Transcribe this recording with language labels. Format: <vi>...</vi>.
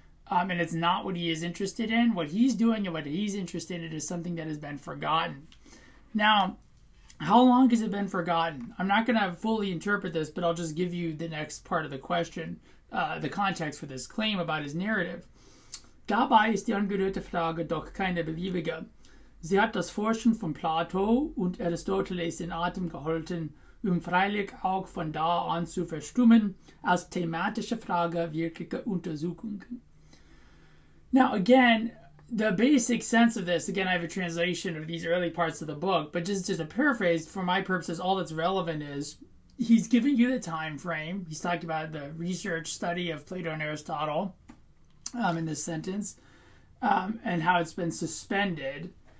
<en>And it's not what he is interested in. What he's doing and what he's interested in is something that has been forgotten. Now, how long has it been forgotten? I'm not going to fully interpret this, but I'll just give you the next part of the question, the context for this claim about his narrative.</en> <de>Dabei ist die angerührte Frage doch keine beliebige. Sie hat das Forschen von Plato und Aristoteles in Atem gehalten, freilich auch von da an zu verstummen als thematische Frage wirklicher Untersuchungen.</de> <en>Now, again, the basic sense of this, again, I have a translation of these early parts of the book, but just a paraphrase for my purposes, all that's relevant is he's giving you the time frame. He's talking about the research study of Plato and Aristotle in this sentence and how it's been suspended.</en>